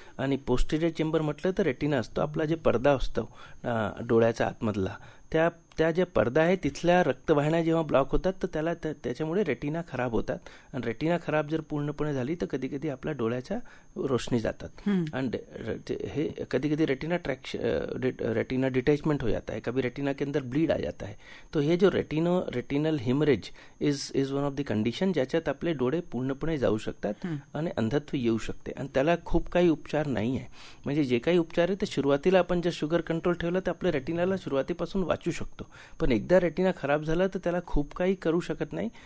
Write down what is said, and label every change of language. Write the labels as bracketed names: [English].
[Marathi] आणि posterior chamber म्हटलं तर रेटिना असतो, आपला जे पडदा असतो डोळ्याचा आतमधला, त्या ज्या पडदा आहे तिथल्या रक्तवाहिन्या जेव्हा ब्लॉक होतात तर त्याला त्याच्यामुळे रेटिना खराब होतात। आणि रेटिना खराब जर पूर्णपणे झाली तर कधी कधी आपल्या डोळ्याच्या रोशनी जातात। आणि हे कधी कधी [Hindi] रेटिना रेटिना डिटॅचमेंट हो जाता है, कभी रेटिना के अंदर ब्लीड आ जाता है। [Marathi] तो हे जो retinal haemorrhage [English] is one of the condition [Marathi] ज्याच्यात आपले डोळे पूर्णपणे जाऊ शकतात आणि अंधत्व येऊ शकते। आणि त्याला खूप काही उपचार नाही आहे। म्हणजे जे काही उपचार आहे ते सुरुवातीला आपण जर शुगर कंट्रोल ठेवलं तर आपल्या रेटिनाला सुरुवातीपासून वाचू शकतो, पण एकदा रेटिना खराब झाला तर त्याला खूप काही करू शकत नाही।